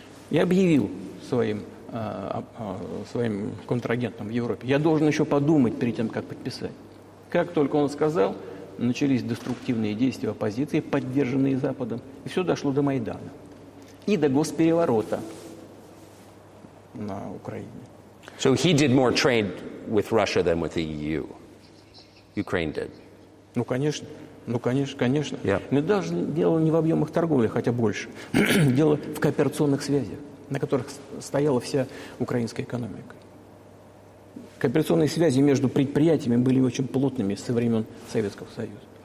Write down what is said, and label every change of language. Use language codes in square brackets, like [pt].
[ru] И объявил своим контрагентам в Европе. Я должен еще подумать перед тем, как подписать. Как только он сказал, начались деструктивные действия оппозиции, поддержанные Западом, и все дошло до Майдана и до госпереворота на Украине. [en] So he did more trade with Russia than with the EU. Ukraine did. [ru] Ну, конечно. Ну, конечно, конечно. [en] Yeah. [ru] Но даже дело не в объемах торговли, хотя больше. Дело в кооперационных связях, на которых стояла вся украинская экономика. Кооперационные связи между предприятиями были очень плотными со времен Советского Союза.